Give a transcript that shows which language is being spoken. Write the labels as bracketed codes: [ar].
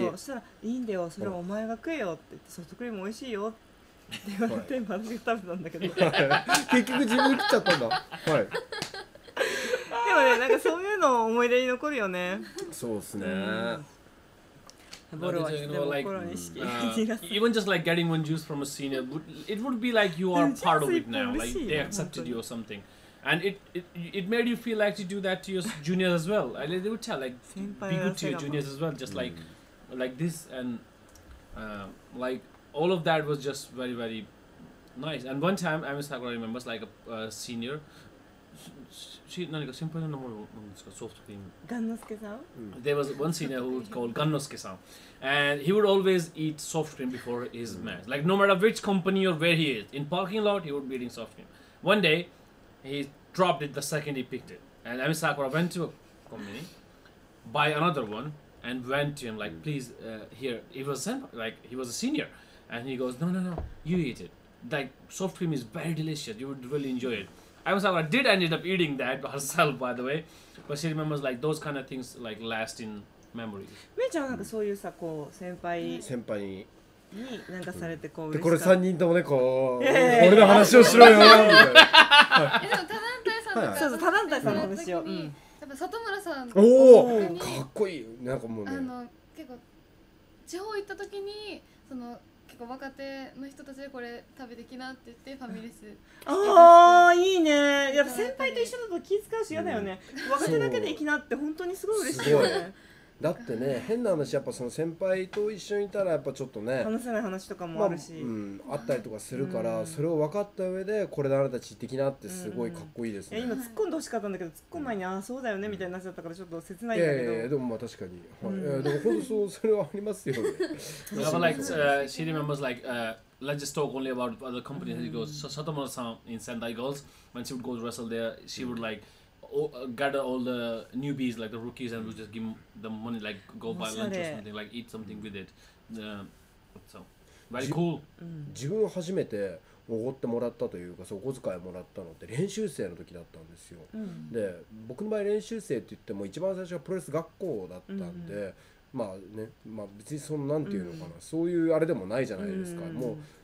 [ja] そうしたら、いいんだよ、それはお前が食えよって言って、ソフトクリーム美味しいよって言われて、はい、私が食べたんだけど結局自分に食っちゃったんだ、はい、でもね、なんかそういうの思い出に残るよね、そうですね、ボロは知っても心に意識、 [en] even just like getting one juice from a senior, it would be like you are part of it now, like they accepted you or something. And it made you feel like to do that to your juniors as well. I, they would tell, like, be good to your juniors as well, just like this. And like, all of that was just very, very nice. And one time, I must have remembered, like a senior. She, what name is it? Soft cream. Gannosuke-san? There was one senior who was called Gannosuke-san. And he would always eat soft cream before his match. Like, no matter which company or where he is. In parking lot, he would be eating soft cream. One day... He dropped it the second he picked it. And Ami Sakura went to a company, buy another one, and went to him, like, please, here. He was, like, he was a senior. And he goes, no, you eat it. Like, soft cream is very delicious. You would really enjoy it. Ami Sakura did end up eating that herself, by the way. But she remembers, like, those kind of things, like, last in memory. Mei-chan, like, so you, like, senpai. [ja] Senpai. に何かされてこう嬉しかった、うん、これ3人ともねこう俺の話をしろよみたいな、はい、でも多団体さんの話、はいはい、そうそう多団体さんの話を、うん、やっぱ里村さんとかにおーかっこいいなんかもうねあの結構地方行った時にその結構若手の人たちでこれ食べてきなって言ってファミレスああいいねやっぱ先輩と一緒だと気遣うし嫌だよね、うん、若手だけで行きなって本当にすごい嬉しいよねだってね、変な話、やっぱその先輩と一緒にいたらやっぱちょっとね話せない話とかもあるし、まあうん、あったりとかするから、うん、それを分かった上でこれであなたち的なってすごいかっこいいですね、うんうん、いや今突っ込んでほしかったんだけど突っ込む前に、うん、ああそうだよねみたいになっちゃったからちょっと切ないんだけど、でもまあ確かに、はいうん、でも本当それはありますよね [en] But yeah, like, she remembers like, let's just talk only about other companies that he goes Satomura-san in Sendai Girls when she would go to wrestle there, she would likeGather all the newbies, like the rookies, and we just give them money, like go buy lunch or something, like eat something with it. So, very cool. [ja] 自分を初めて奢ってもらったというか、そうお小遣いもらったのって練習生の時だったんですよ。うん、で、僕の場合練習生って言っても一番最初はプロレス学校だったんで、うん、まあね、まあ別にそのなんていうのかな、うん、そういうあれでもないじゃないですか。うん、もう。